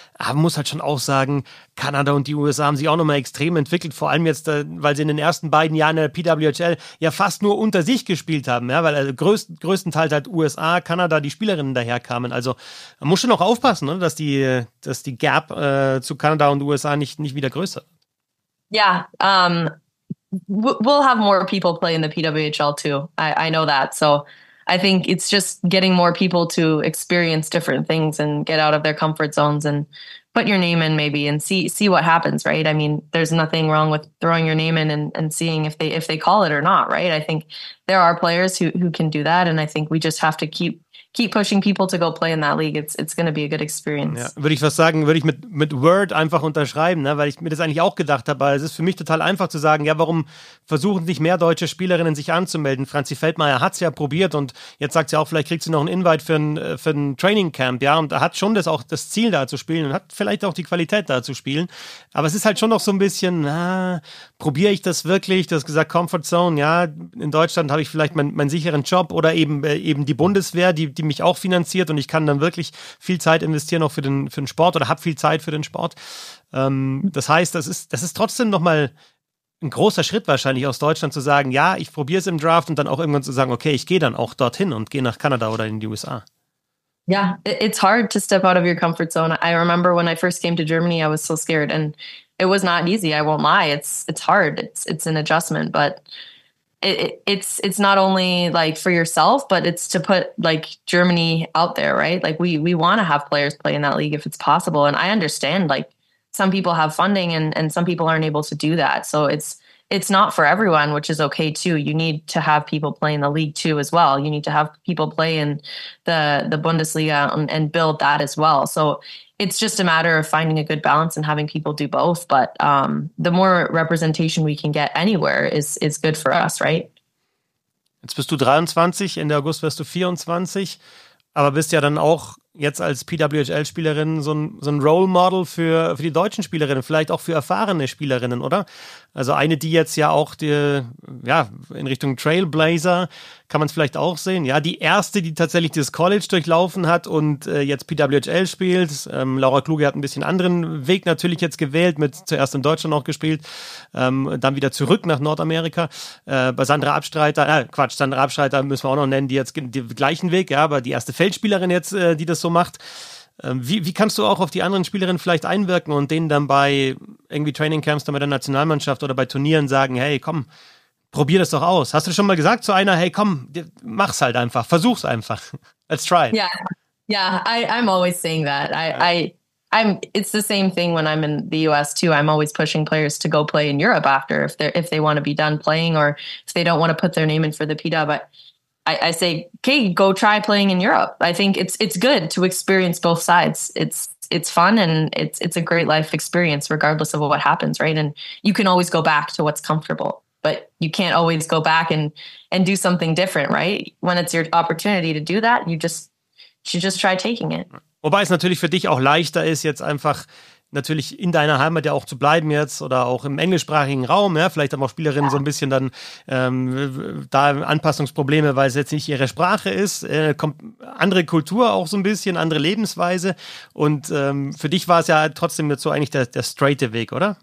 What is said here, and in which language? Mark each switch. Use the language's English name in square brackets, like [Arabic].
[German] Aber man muss halt schon auch sagen, Kanada und die USA haben sich auch nochmal extrem entwickelt, vor allem jetzt, weil sie in den ersten beiden Jahren der PWHL ja fast nur unter sich gespielt haben, ja, weil also größtenteils halt USA, Kanada, die Spielerinnen daherkamen. Also man muss schon auch aufpassen, ne, dass die Gap zu Kanada und USA nicht wieder größer wird. [English] We'll have more people play in the PWHL too. I know that. So I think it's just getting more people to experience different things and get out of their comfort zones and put your name in maybe and see what happens, right? I mean, there's nothing wrong with throwing your name in and seeing if they call it or not, right? I think there are players who can do that. And I think we just have to keep pushing people to go play in that league. It's going to be a good experience. [German] Ja, würde ich was sagen, würde ich mit Word einfach unterschreiben, ne? Weil ich mir das eigentlich auch gedacht habe. Es ist für mich total einfach zu sagen, ja, warum versuchen nicht mehr deutsche Spielerinnen sich anzumelden? Franzi Feldmeier hat es ja probiert und jetzt sagt sie auch, vielleicht kriegt sie noch einen Invite für ein Training Camp, ja, und hat schon das Ziel, da zu spielen, und hat vielleicht auch die Qualität, da zu spielen. Aber es ist halt schon noch so ein bisschen, probiere ich das wirklich? Du hast gesagt, Comfort Zone, ja, in Deutschland habe ich vielleicht meinen sicheren Job oder eben die Bundeswehr, die mich auch finanziert und ich kann dann wirklich viel Zeit investieren auch für den Sport oder habe viel Zeit für den Sport. Das heißt, das ist trotzdem nochmal ein großer Schritt wahrscheinlich aus Deutschland zu sagen, ja, ich probiere es im Draft und dann auch irgendwann zu sagen, okay, ich gehe dann auch dorthin und gehe nach Kanada oder in die USA. [English] Yeah, it's hard to step out of your comfort zone. I remember when I first came to Germany, I was so scared and it was not easy, I won't lie. It's hard, it's an adjustment, but it's not only like for yourself, but it's to put like Germany out there, right? Like we want to have players play in that league if it's possible. And I understand like some people have funding and some people aren't able to do that. So it's not for everyone, which is okay too. You need to have people play in the league too as well. You need to have people play in the Bundesliga and build that as well. So it's just a matter of finding a good balance and having people do both. But the more representation we can get anywhere is good for us, right? [German] Jetzt bist du 23, Ende August wirst du 24, aber bist ja dann auch jetzt als PWHL-Spielerin so ein Role Model für die deutschen Spielerinnen, vielleicht auch für erfahrene Spielerinnen, oder? Also eine, die jetzt ja auch in Richtung Trailblazer, kann man es vielleicht auch sehen. Ja, die erste, die tatsächlich das College durchlaufen hat und jetzt PWHL spielt. Laura Kluge hat ein bisschen anderen Weg natürlich jetzt gewählt, mit zuerst in Deutschland auch gespielt, dann wieder zurück nach Nordamerika. Bei Sandra Abstreiter müssen wir auch noch nennen, die jetzt den gleichen Weg, ja, aber die erste Feldspielerin jetzt, die das so macht. Wie kannst du auch auf die anderen Spielerinnen vielleicht einwirken und denen dann bei irgendwie Training Camps dann bei der Nationalmannschaft oder bei Turnieren sagen, hey, komm, probier das doch aus. Hast du schon mal gesagt zu einer, hey, komm, mach's halt einfach, versuch's einfach. [English] Let's try. I'm always saying that. It's the same thing when I'm in the US too. I'm always pushing players to go play in Europe after if they want to be done playing or if they don't want to put their name in for the PDA, but I say, okay, go try playing in Europe. I think it's good to experience both sides. It's it's fun and it's a great life experience regardless of what happens, right? And you can always go back to what's comfortable, but you can't always go back and do something different, right? When it's your opportunity to do that, you just try taking it. [German] Wobei es natürlich für dich auch leichter ist, jetzt einfach natürlich in deiner Heimat ja auch zu bleiben jetzt oder auch im englischsprachigen Raum, ja, vielleicht haben auch Spielerinnen so ein bisschen dann da Anpassungsprobleme, weil es jetzt nicht ihre Sprache ist, kommt andere Kultur auch so ein bisschen, andere Lebensweise und für dich war es ja trotzdem jetzt so eigentlich der straighte Weg, oder?